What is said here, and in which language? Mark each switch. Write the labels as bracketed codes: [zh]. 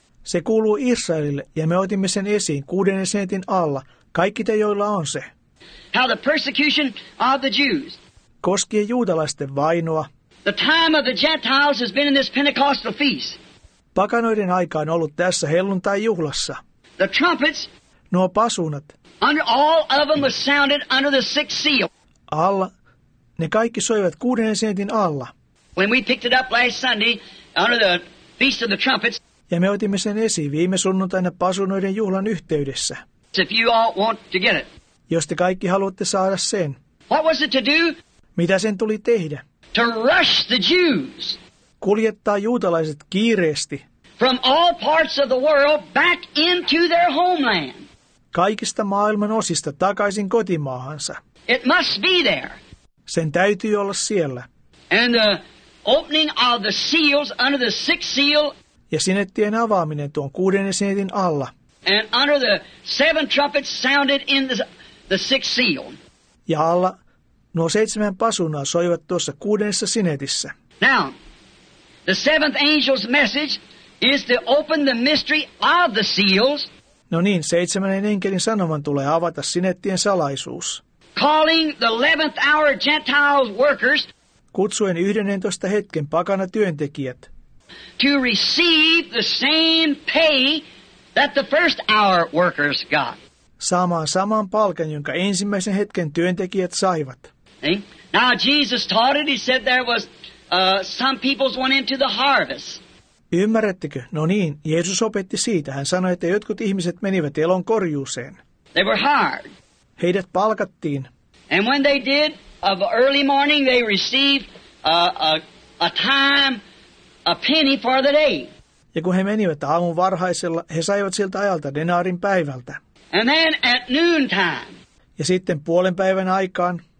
[fi] Se kuuluu Israelille ja me otimme sen esiin kuudennen seitin alla, kaikki te joilla on se. [en] How the persecution of the Jews. [fi] Koskien juutalaisten vainoa. [en] The time of the Gentiles has been in this Pentecostal feast. [fi] Pakanoiden aika on ollut tässä helluntaijuhlassa. [en] The trumpets. [fi] Nuo pasunat. [en] Under all of them was sounded under the sixth seal. [fi] Alla. Ne kaikki soivat kuudennen seitin alla. [en] When we picked it up last Sunday under the feast of the trumpets. [fi] Ja me otimme sen esiin viime sunnuntaina pasunoiden juhlan yhteydessä. [en] If you all want to get it. [fi] Jos te kaikki haluatte saada sen. [en] What was it to do? [fi] Mitä sen tuli tehdä? [en] To rush the Jews. [fi] Kuljettaa juutalaiset kiireesti. [en] From all parts of the world back into their homeland. [fi] Kaikista maailman osista takaisin kotimaahansa. [en] It must be there. [fi] Sen täytyy olla siellä. [en] And the opening of the seals under the sixth seal. [fi] Ja sinettien avaaminen tuon kuudennen sinetin alla. [en] And under the seven trumpets sounded in the sixth seal. [fi] Ja alla nuo seitsemän pasunaa soivat tuossa kuudennessa sinetissä. [en] Now, the seventh angel's message is to open the mystery of the seals. [fi] No niin, seitsemännen enkelin sanoman tulee avata sinettien salaisuus. [en] Calling the 11th hour Gentile workers. [fi] Kutsuen 11 hetken pakana työntekijät. [en] To receive the same pay that the first hour workers got. [fi] Saamaan saman palkan, jonka ensimmäisen hetken työntekijät saivat. [en] Now Jesus taught it. He said there was some people went into the harvest. [fi] Ymmärrättekö? No niin, Jeesus opetti siitä. Hän sanoi, että jotkut ihmiset menivät elon korjuuseen. [en] They were hired. [fi] Heidät palkattiin. [en] And when they did, of early morning, they received a time, a penny for the day. [fi] Ja kun he menivät aamun varhaisella, he saivat siltä ajalta denaarin päivältä. [en] And then at noontime. [fi] Ja sitten puolen päivän aikaan.